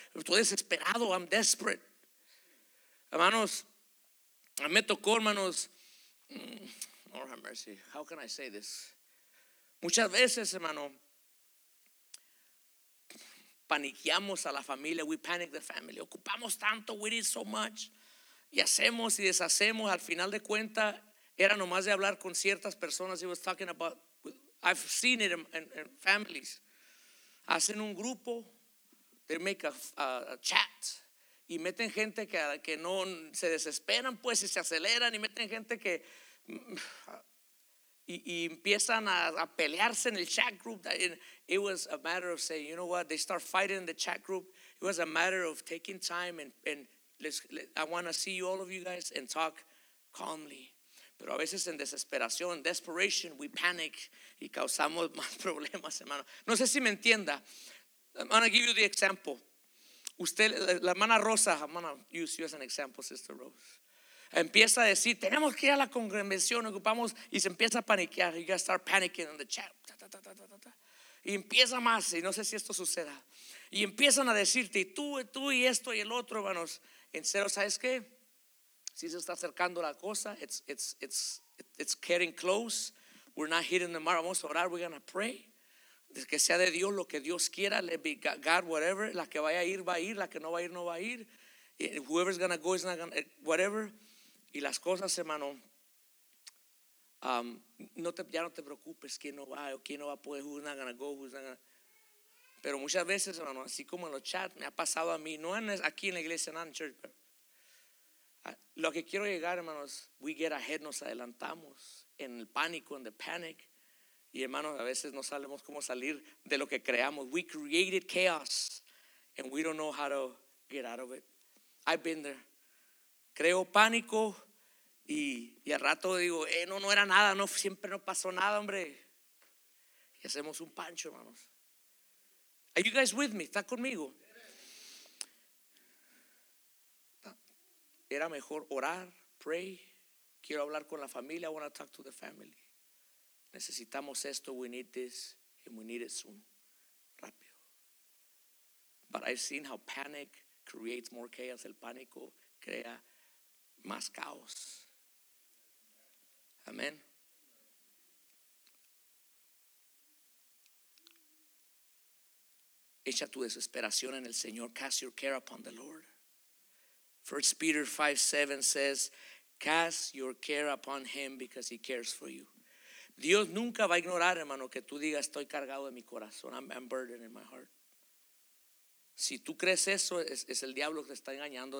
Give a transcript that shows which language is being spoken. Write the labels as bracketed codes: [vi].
[es] Estoy desesperado, [en] I'm desperate. [es] Hermanos, me tocó, hermanos, [en] Lord have mercy, how can I say this? [es] Muchas veces, hermano, paniqueamos a la familia, [en] we panic the family. [es] Ocupamos tanto, [en] we need so much. [es] Y hacemos y deshacemos, al final de cuentas, era nomás de hablar con ciertas personas. [en] He was talking about, I've seen it in families. [es] Hacen un grupo, [en] they make a chat. [es] Y meten gente que no se desesperan, pues, y se aceleran, y meten gente que y empiezan a pelearse en el chat group. [en] It was a matter of saying, you know what, they start fighting in the chat group. It was a matter of taking time and I want to see you, all of you guys, and talk calmly. [es] Pero a veces en desesperación, en desperation, [en] we panic [es] y causamos más problemas, hermano. No sé si me entienda. [en] I'm going to give you the example. [es] Usted, la hermana Rosa, [en] I'm gonna use you as an example, Sister Rose. [es] Empieza a decir, tenemos que ir a la congregación, ocupamos, y se empieza a paniquear. [en] You gotta start panicking in the chat. [es] Ta, ta, ta, ta, ta, ta, ta. Y empieza más, y no sé si esto suceda. Y empiezan a decirte, tú y esto y el otro, hermanos. En serio, ¿sabes qué? Si se está acercando la cosa, [en] it's getting close. We're not hitting the mark. [es] Vamos a orar, [en] we're gonna pray. [es] Que sea de Dios lo que Dios quiera, [en] let be God, whatever. [es] La que vaya a ir, va a ir. La que no va a ir, no va a ir. [en] Whoever's gonna go is not gonna, whatever. [es] Y las cosas, hermano, ya no te preocupes quién no va o quién no va a poder. [en] Who's not gonna go, who's not gonna. [es] Pero muchas veces, hermano, así como en los chats, me ha pasado a mí, no aquí en la iglesia, no en church, pero lo que quiero llegar, hermanos, [en] we get ahead, [es] nos adelantamos en el pánico, en the panic. Y hermanos, a veces no sabemos cómo salir de lo que creamos. [en] We created chaos and we don't know how to get out of it. I've been there. [es] Creo pánico y al rato digo, no era nada, no, siempre no pasó nada, hombre. Y hacemos un pancho, hermanos. [en] Are you guys with me? [es] ¿Está conmigo? Era mejor orar, pray. Quiero hablar con la familia, [en] I want to talk to the family. [es] Necesitamos esto, [en] we need this, and we need it soon, rápido. But I've seen how panic creates more chaos. [es] El pánico crea más caos. Amen. Echa tu desesperación en el Señor. [en] Cast your care upon the Lord. 1 Peter 5:7 says, cast your care upon him because he cares for you. [es] Dios nunca va a ignorar, hermano, que tú digas, estoy cargado de mi corazón. [en] I'm burdened in my heart. [es] Si tú crees eso, es el diablo que te está engañando.